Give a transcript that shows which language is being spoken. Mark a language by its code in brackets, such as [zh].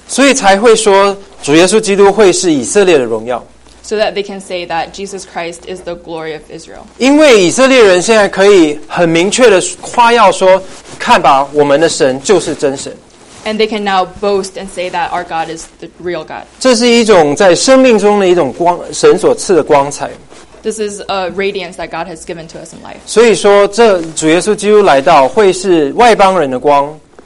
[zh] 所以才会说主耶稣基督会是以色列的荣耀。 [en] So that they can say that Jesus Christ is the glory of Israel. [zh] 因为以色列人现在可以很明确的夸耀说，看吧，我们的神就是真神。 [en] And they can now boast and say that our God is the real God. [zh] 这是一种在生命中的一种光，神所赐的光彩。 [en] This is a radiance that God has given to us in life. [zh] 所以说，这主耶稣基督来到会是外邦人的光。